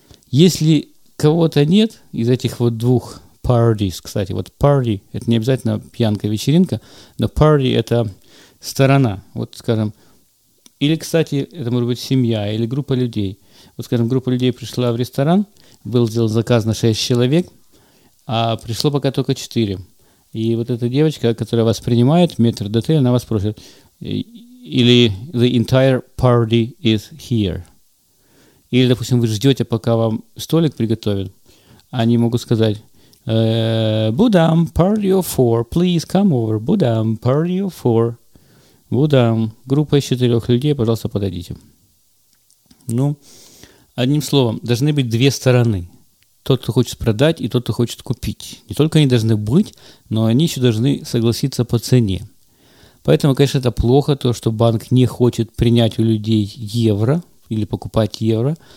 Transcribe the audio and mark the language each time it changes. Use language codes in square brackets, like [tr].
[ru] Если кого-то нет из этих вот двух parties, кстати, вот party – это не обязательно пьянка, вечеринка, но party – это сторона, вот скажем, или, кстати, это может быть семья или группа людей. Вот, скажем, группа людей пришла в ресторан, был сделан заказ на 6 человек, а пришло пока только 4. И вот эта девочка, которая вас принимает, метр д'отель, она вас просит. Или [en] the entire party is here. [ru] Или, допустим, вы ждете, пока вам столик приготовят. Они могут сказать [en] «Будам, party of four, please come over, будам, party of four». [ru] Будам, группа из 4 людей, пожалуйста, подойдите. Ну, одним словом, должны быть две стороны. Тот, кто хочет продать, и тот, кто хочет купить. Не только они должны быть, но они еще должны согласиться по цене. Поэтому, конечно, это плохо, то, что банк не хочет принять у людей евро или покупать евро.